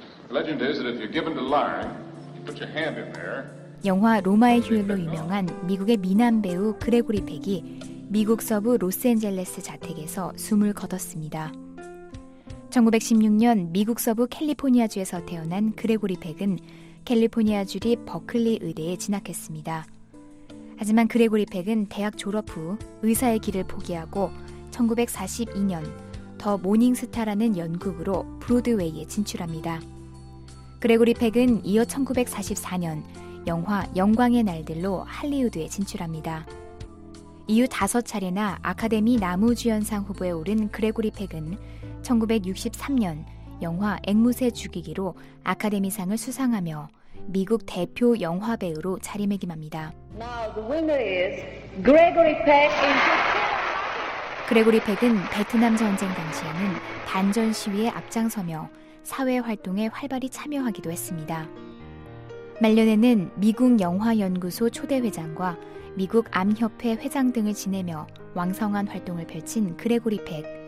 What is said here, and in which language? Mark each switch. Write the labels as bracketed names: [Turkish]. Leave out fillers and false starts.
[English] The legend is that if you're given to lying, you put your hand in there. [Korean] 영화 로마의 휴일로 유명한 미국의 미남 배우 그레고리 팩이 미국 서부 로스앤젤레스 자택에서 숨을 거뒀습니다. 1916년 미국 서부 캘리포니아주에서 태어난 그레고리 팩은 캘리포니아주립 버클리 의대에 진학했습니다. 하지만 그레고리 팩은 대학 졸업 후 의사의 길을 포기하고 1942년 더 모닝스타라는 연극으로 브로드웨이에 진출합니다. 그레고리 팩은 이어 1944년 영화 영광의 날들로 할리우드에 진출합니다. 이후 다섯 차례나 아카데미 남우주연상 후보에 오른 그레고리 팩은 1963년 영화 앵무새 죽이기로 아카데미상을 수상하며 미국 대표 영화배우로 자리매김합니다. [English] Now the winner is Gregory Peck in Japan. [Korean] 그레고리 팩은 베트남 전쟁 당시에는 반전 시위에 앞장서며 사회 활동에 활발히 참여하기도 했습니다. 말년에는 미국 영화연구소 초대 회장과 미국 암협회 회장 등을 지내며 왕성한 활동을 펼친 그레고리 팩.